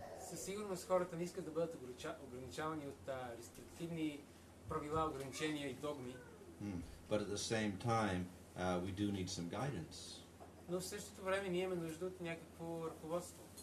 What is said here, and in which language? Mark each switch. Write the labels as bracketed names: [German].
[Bulgarian] Със сигурност хората не искат да бъдат ограничавани от рестриктивни правила, ограничения и догми. [English] But at the same time, we do need some guidance. [Bulgarian] Но в същото време ние имаме нужда от някакво ръководство.